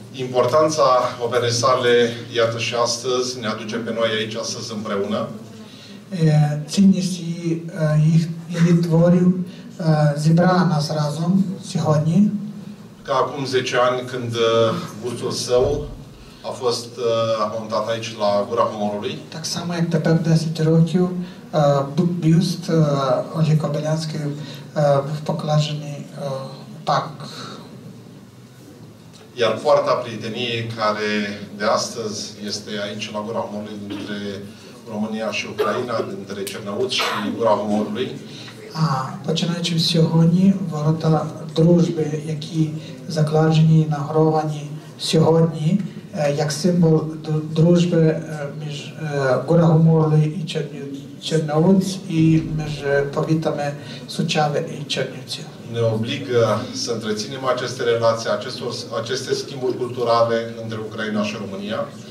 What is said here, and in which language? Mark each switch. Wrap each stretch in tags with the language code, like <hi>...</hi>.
<ro>Importanța operei sale, iată și astăzi, ne aduce pe noi aici astăzi împreună.</ro> <uk>Цінність її творів зібрала нас разом сьогодні.</uk> <ro>Ca acum 10 ani, când vârstul său a fost montat aici la Gura Humorului.</ro> <uk>Так само, як тепер 10 років, бюст Ольги Кобилянської був покладений в парк.</uk> <ro>Iar poarta prieteniei care de astăzi este aici la Gura Humorului dintre România și Ucraina, dintre Cernăuți și Gura Humorului.</ro> <uk>Починаючи сьогодні, ворота дружби, які закладені, награвані сьогодні, як символ дружби між Гура Гуморлуй і Чернівці, і між повітами Сучави і Чернівці.</uk> <ro>Ne obligă să întreținem aceste relații, aceste schimburi culturale între Ucraina și România.</ro>